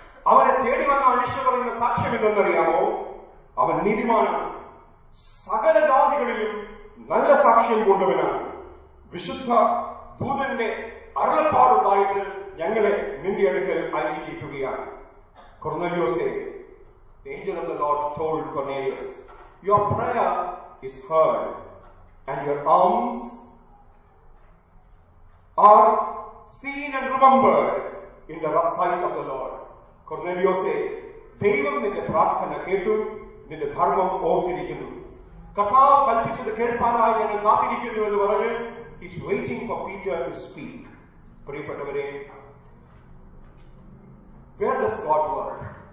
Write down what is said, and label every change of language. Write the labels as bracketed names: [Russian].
[Malayalam] അവനെ തേടി വന്ന മനുഷ്യ പറയുന്ന സാക്ഷ്യം എന്തെന്നറിയാമോ? അവൻ നീതിമാനാണ്, സകല ജാതികളിലും നല്ല സാക്ഷ്യം കൊണ്ടുവനാണ്, വിശുദ്ധ ദൂതന്റെ അരുളപ്പാടുണ്ടായിട്ട് ഞങ്ങളെ നിന്ദിയെടുക്കൽ അനുഷ്ഠിക്കുകയാണ്. [English] കൊർനേലിയോസേ, the angel of the Lord told Cornelius, your prayer is heard and your alms are seen and remembered in the sight of the Lord. [Malayalam] കൊർനേലിയോസേ, ദൈവം നിന്റെ പ്രാർത്ഥന കേട്ടു, നിന്റെ ധർമ്മം ഓർത്തിരിക്കുന്നു. കഥാ കൽപ്പിച്ചത് കേൾപ്പാനായി ഞങ്ങൾ കാത്തിരിക്കുന്നു എന്ന് പറഞ്ഞ് his waiting for Peter to speak. [English] പ്രിയപ്പെട്ടവരെ, where does God work?